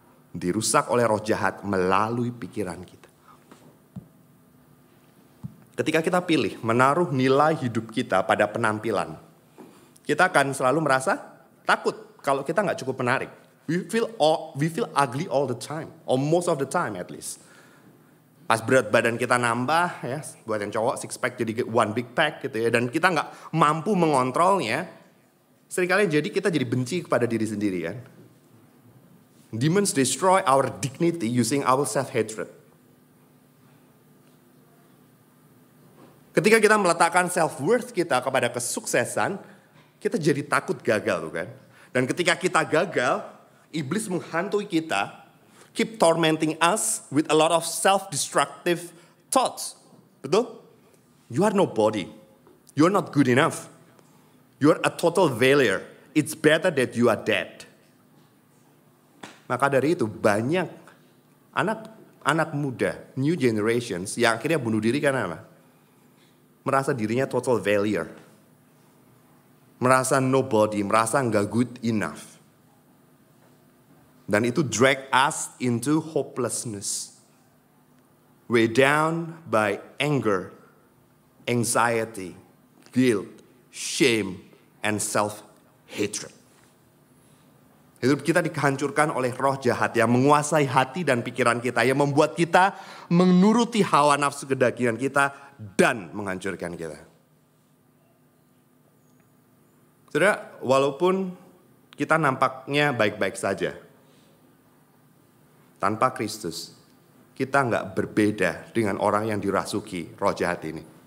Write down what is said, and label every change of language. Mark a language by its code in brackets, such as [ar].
[id] Dirusak oleh roh jahat melalui pikiran kita. Ketika kita pilih menaruh nilai hidup kita pada penampilan, kita akan selalu merasa takut kalau kita gak cukup menarik. [en] We feel ugly all the time, or most of the time at least. [id] Pas berat badan kita nambah, ya, buat yang cowok six pack jadi [en] one big pack [id] gitu ya, dan kita gak mampu mengontrolnya, seringkali jadi kita jadi benci kepada diri sendiri kan. [en] Demons destroy our dignity using our self-hatred. [id] Ketika kita meletakkan self-worth kita kepada kesuksesan, kita jadi takut gagal tuh kan. Dan ketika kita gagal, iblis menghantui kita, [en] keep tormenting us with a lot of self-destructive thoughts. [id] Betul? [en] You are nobody. You are not good enough. You are a total failure. It's better that you are dead. [id] Maka dari itu banyak anak-anak muda, [en] new generations, [id] yang akhirnya bunuh diri karena apa? Merasa dirinya [en] total failure. [id] Merasa [en] nobody, [id] merasa gak [en] good enough. [id] Dan itu [en] drag us into hopelessness. Weighed down by anger, anxiety, guilt, shame, and self-hatred. [id] Hidup kita dihancurkan oleh roh jahat yang menguasai hati dan pikiran kita, yang membuat kita menuruti hawa nafsu kedagingan kita dan menghancurkan kita. Saudara, walaupun kita nampaknya baik-baik saja, tanpa Kristus, kita gak berbeda dengan orang yang dirasuki roh jahat ini.